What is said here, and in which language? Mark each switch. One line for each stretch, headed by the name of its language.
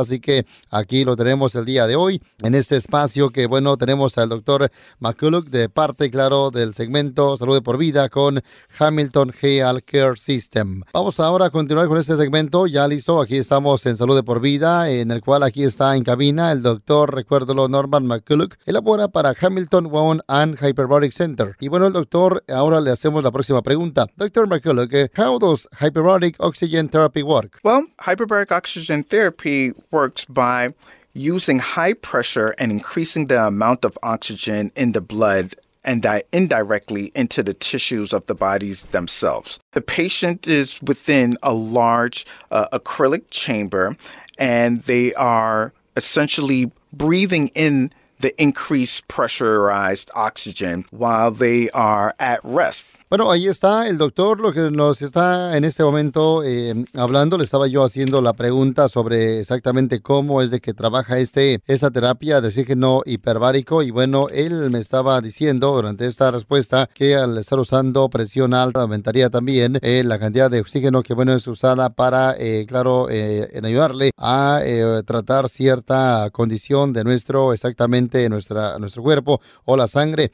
Spanish: Así que aquí lo tenemos el día de hoy en este espacio que bueno tenemos al doctor McCulloch de parte claro del segmento Salud de por Vida con Hamilton Health Care System. Vamos ahora a continuar con este segmento, ya listo, aquí estamos en Salud de por Vida, en el cual aquí está en cabina el doctor, recuérdalo, Norman McCulloch, elabora para Hamilton Wound and Hyperbaric Center. Y bueno, el doctor, ahora le hacemos la próxima pregunta.
English: Doctor McCulloch, how does hyperbaric oxygen therapy work? Well, hyperbaric oxygen therapy works by using high pressure and increasing the amount of oxygen in the blood and that indirectly into the tissues of the bodies themselves. The patient is within a large acrylic chamber, and they are essentially breathing in the increased pressurized oxygen while they are at rest.
Spanish: Bueno, ahí está el doctor, lo que nos está en este momento hablando. Le estaba yo haciendo la pregunta sobre exactamente cómo es de que trabaja esa terapia de oxígeno hiperbárico. Y bueno, él me estaba diciendo durante esta respuesta que al estar usando presión alta aumentaría también la cantidad de oxígeno que, bueno, es usada para, en ayudarle a tratar cierta condición de nuestro cuerpo o la sangre.